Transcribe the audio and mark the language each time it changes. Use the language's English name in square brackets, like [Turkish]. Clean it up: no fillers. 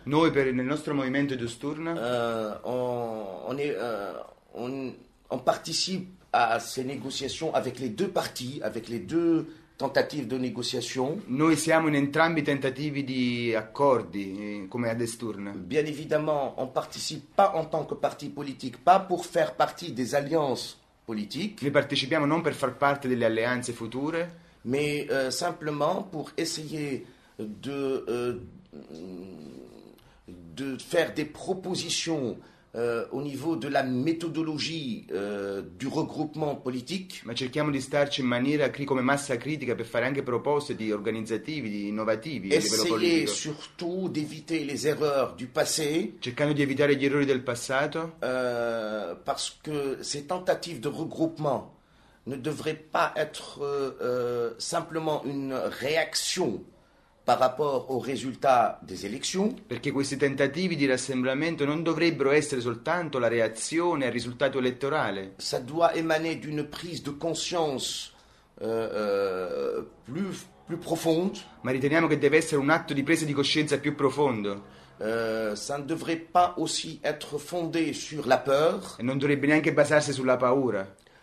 [Italian] noi per nel nostro movimento de Sturna, [French] on participe à ces négociations avec les deux parties, avec les deux tentatives de négociation. [Italian] Noi siamo in entrambi i tentativi di accordi, come a Sturna. [French] Bien évidemment, on ne participe pas en tant que parti politique, pas pour faire partie des alliances. [Italian] Ne partecipiamo non per far parte delle alleanze future, [French] ma simplement pour essayer de de faire des propositions au niveau de la méthodologie du regroupement politique. [Italian] Ma cerchiamo di starci in maniera come massa critica per fare anche proposte di organizzativi, di innovativi a livello politico. [French] Essayer surtout d'éviter les erreurs du passé. [Italian] Cercando di evitare gli errori del passato. [French] Parce que ces tentatives de regroupement ne devraient pas être simplement une réaction par rapport au résultat des élections. [Italian] Perché questi tentativi di rassemblamento non dovrebbero essere soltanto la reazione al risultato elettorale. [French] Ça doit émaner d'une prise de conscience plus profonde. [Italian] Ma riteniamo che deve essere un atto di presa di coscienza più profondo. [French] Ça ne devrait pas aussi être fondé sur la peur. [Italian] E non dovrebbe neanche basarsi sulla paura.